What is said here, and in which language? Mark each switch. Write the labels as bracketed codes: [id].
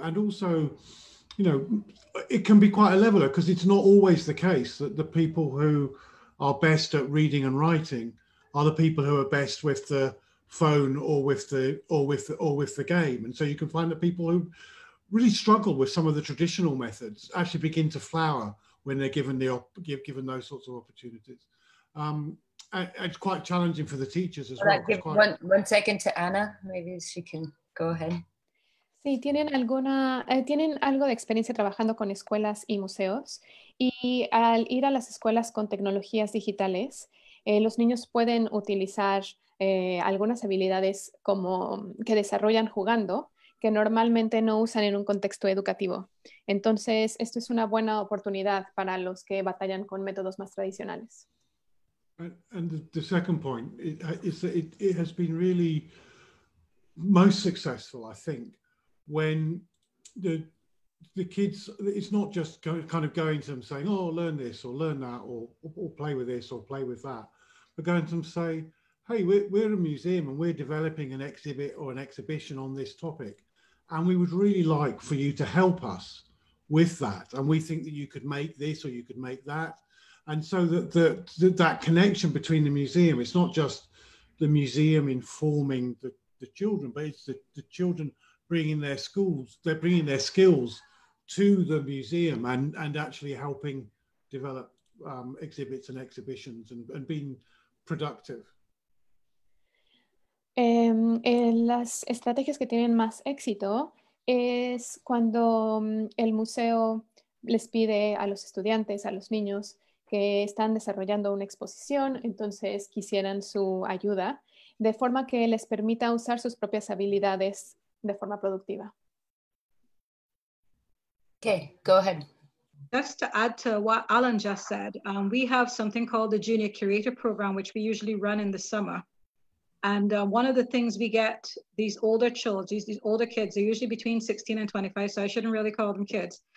[en] And also, you know, it can be quite a leveler, because it's not always the case that the people who are best at reading and writing are the people who are best with the phone or with the game. And so you can find that people who really struggle with some of the traditional methods actually begin to flower when they're given those sorts of opportunities. It's quite challenging for the teachers as well. One second to Anna, maybe she can go ahead. [es] Sí, tienen algo de experiencia trabajando con escuelas y museos, y al ir a las escuelas con tecnologías digitales, los niños pueden utilizar algunas habilidades como que desarrollan jugando, que normalmente no usan en un contexto educativo. Entonces, esto es una buena oportunidad para los que batallan con métodos más tradicionales. [en] And the second point is that it has been really most successful, I think, when the kids, it's not just kind of going to them saying, oh, learn this or learn that or play with this or play with that, but going to them say, hey, we're a museum and we're developing an exhibit or an exhibition on this topic, and we would really like for you to help us with that. And we think that you could make this or you could make that. And so that connection between the museum, it's not just the museum informing the children, but it's the children bringing their skills to the museum and actually helping develop exhibits and exhibitions and being productive? [es] Las estrategias que tienen más éxito es cuando el museo les pide a los estudiantes, a los niños que están desarrollando una exposición, entonces quisieran su ayuda, de forma que les permita usar sus propias habilidades de forma productiva. [en] Okay, go ahead. Just to add to what Alan just said, we have something called the Junior Curator Program, which we usually run in the summer. And one of the things we get these older children, these older kids, they're usually between 16 and 25, so I shouldn't really call them kids.